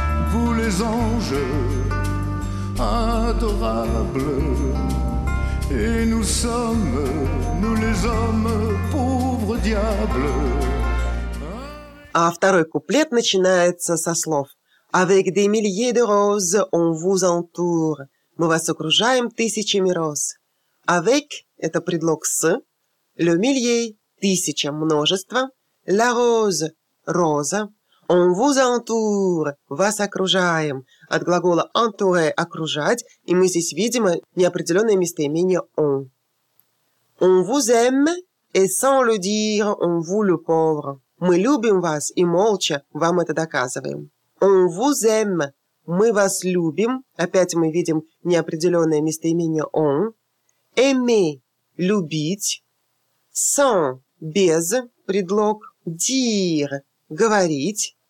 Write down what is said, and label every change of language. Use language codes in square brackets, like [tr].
[fr] Vous les anges, adorables, et nous sommes, nous les hommes, pauvres diables. [ru] А второй куплет начинается со слов [fr] «Avec des milliers de roses, on vous entoure» [ru] – «Мы вас окружаем тысячами роз». «Avec» – это предлог «с», «le millier» – «тысяча», «множество», «la rose» – «роза», [fr] «on vous entoure» [ru] – «вас окружаем» – от глагола «entourer» – «окружать», и мы здесь видим неопределенное местоимение «on». [fr] «On vous aime, et sans le dire, on vous le pauvre». [ru] «Мы любим вас и молча вам это доказываем». [fr] «On vous aime» [ru] – «мы вас любим». Опять мы видим неопределенное местоимение «on». «Aimer» – «любить». «Sans» – «без» – предлог. «Dire» – «говорить».